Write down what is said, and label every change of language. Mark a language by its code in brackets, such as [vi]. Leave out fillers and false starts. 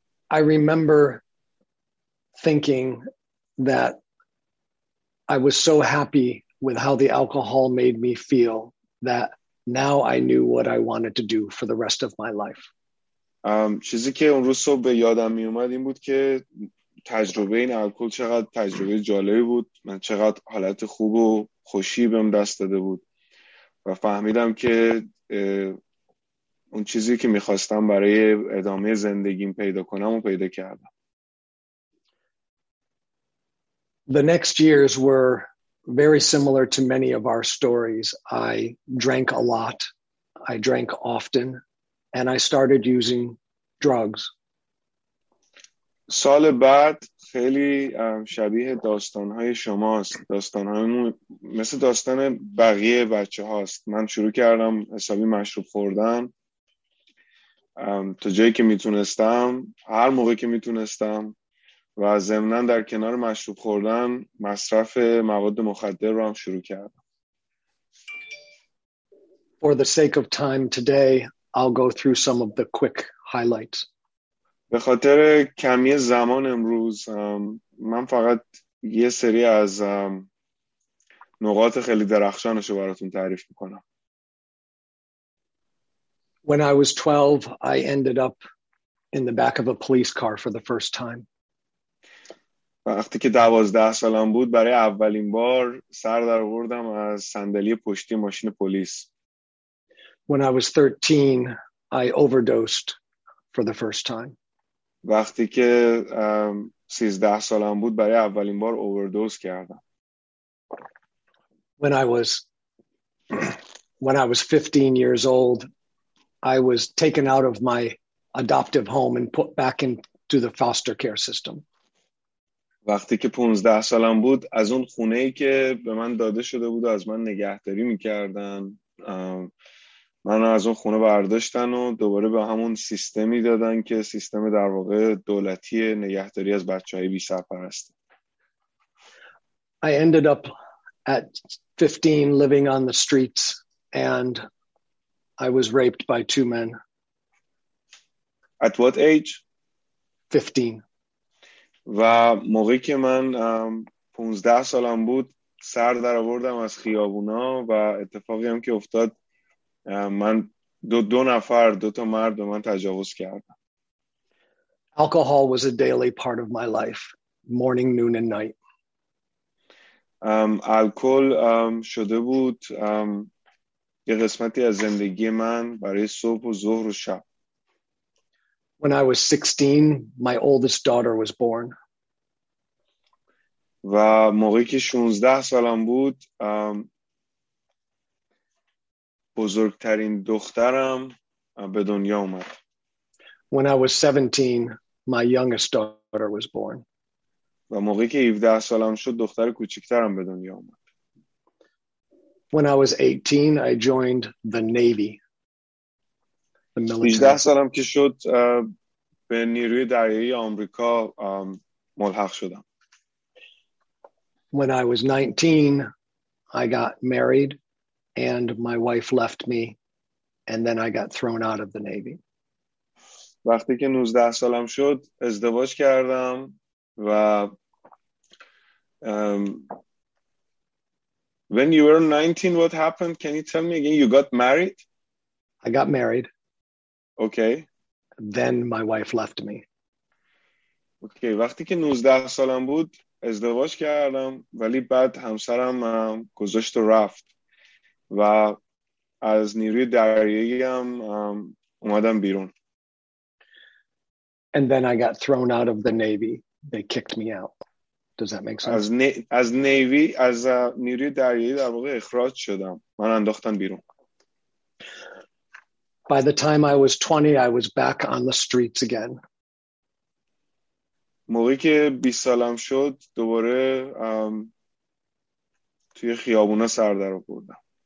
[en] I remember thinking that I was so happy with how the alcohol made me feel that now I knew what I wanted to do for the rest of my life. [fa] چیزی که اون روز صبح به یادم می اومد این بود که تجربه این الکل چقدر تجربه جالبی بود، من چقدر حالت خوب و خوشی بهم دست داده بود و فهمیدم که اون چیزی که میخواستم برای ادامه زندگیم پیدا کنم و پیدا کردم. [en] The next years were very similar to many of our stories. I drank a lot. I drank often. And I started using drugs. [fa] سال بعد خیلی شبیه داستان‌های شماست. داستان‌هامون مثل داستان بقیه بچه‌هاست. من شروع کردم حسابی مشروب خوردن. تا جایی که میتونستم، هر موقع که میتونستم و ضمناً در کنار مشروب خوردن مصرف مواد مخدر رو هم شروع کردم. [en] For the sake of time today, I'll go through some of the quick highlights. [fa] به خاطر کمی زمان امروز من فقط یه سری از نقاط خیلی درخشانش رو براتون تعریف می‌کنم. [en] When I was 12, I ended up in the back of a police car for the first time. [fa] وقتی که 12 سالم بود برای اولین بار سر در آوردم از صندلی پشتی ماشین پلیس. [en] When I was 13, I overdosed for the first time. [fa] وقتی که 13 سالم بود برای اولین بار اووردوز کردم. [en] When I was 15 years old, I was taken out of my adoptive home and put back into the foster care system. [fa] وقتی که 15 سالم بود از اون خونه ای که به من داده شده بود و از من نگهداری می‌کردن، من از اون خونه برداشتن و دوباره به همون سیستمی دادن که سیستم در واقع دولتی نگهداری از بچه‌های بی‌سرپرست. [en] I ended up at 15 living on the streets and I was raped by two men. At what age? 15. [fa] و موقعی که من 15 سالم بود سر در آوردم از خیابونا و اتفاقی هم که افتاد من دو نفر دو تا مرد به من تجاوز کردم. [en] Alcohol was a daily part of my life, morning, noon and night. [fa] الکل شده بود یه قسمتی از زندگی من برای صبح و ظهر و شب. [en] When I was 16, my oldest daughter was born. [fa] و موقعی که 16 سالم بود بزرگترین دخترم به دنیا اومد. [en] When I was 17, my youngest daughter was born. [fa] و موقعی که 17 سالم شد دختر کوچکترم به دنیا اومد. [en] When I was 18, I joined the Navy. [fa] 18 سالم که شد به نیروی دریایی آمریکا ملحق شدم. [en] When I was 19, I got married. And my wife left me, and then I got thrown out of the Navy. [fa] وقتی که 19 سالم شد ازدواج کردم و [en] when you were 19, what happened? Can you tell me again? You got married? I got married. Okay. Then my wife left me. Okay. [fa] وقتی که 19 سالم بود ازدواج کردم ولی بعد همسرم گذاشت و رفت و از نیروی دریایی هم اومدم بیرون. [en] And then I got thrown out of the Navy. They kicked me out. Does that make sense? [fa] از نیوی از نیروی دریایی در واقع اخراج شدم. من انداختن بیرون. [en] By the time I was 20, I was back on the streets again. [fa] موقعی که 20 سالم شد دوباره توی خیابونا سر در آوردم.